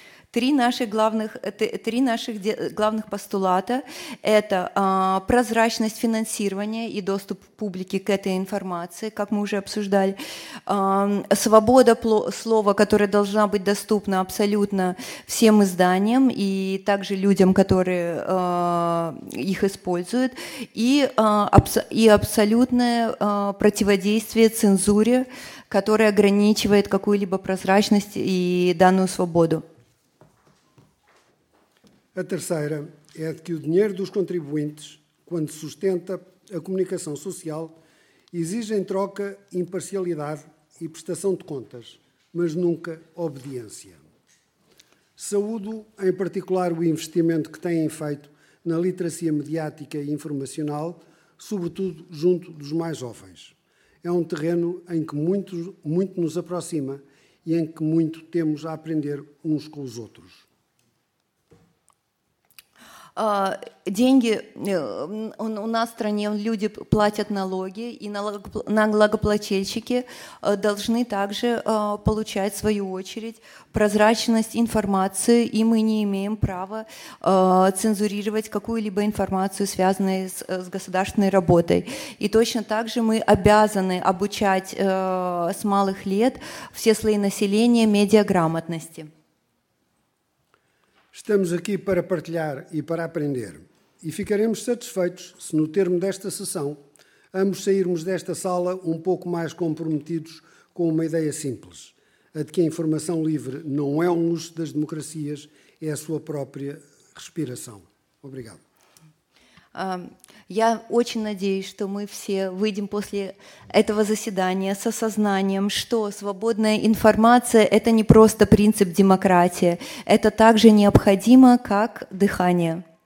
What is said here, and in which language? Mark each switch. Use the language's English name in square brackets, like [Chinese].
[Russian] Три наших главных постулата – это прозрачность финансирования и доступ публики к этой информации, как мы уже обсуждали, свобода слова, которая должна быть доступна абсолютно всем изданиям и также людям, которые их используют, и абсолютное противодействие цензуре, которая ограничивает какую-либо прозрачность и данную свободу. [Portuguese] A terceira é de que o dinheiro dos contribuintes, quando sustenta a comunicação social, exige em troca imparcialidade e prestação de contas, mas nunca obediência. Saúdo, em particular, o investimento que têm feito na literacia mediática e informacional, sobretudo junto dos mais jovens. É um terreno em que muito nos aproxima e em que muito temos a aprender uns com os outros. [Russian] Деньги, у нас в стране люди платят налоги, и налогоплательщики должны также получать, в свою очередь, прозрачность информации, и мы не имеем права цензурировать какую-либо информацию, связанную с государственной работой. И точно так же мы обязаны обучать с малых лет все слои населения медиаграмотности. [Portuguese] Estamos aqui para partilhar e para aprender. E ficaremos satisfeitos se, no termo desta sessão, ambos sairmos desta sala um pouco mais comprometidos com uma ideia simples, a de que a informação livre não é um luxo das democracias, é a sua própria respiração. Obrigado. [Russian] Я очень надеюсь, что мы все выйдем после этого заседания с осознанием, что свободная информация – это не просто принцип демократии, это также необходимо, как дыхание.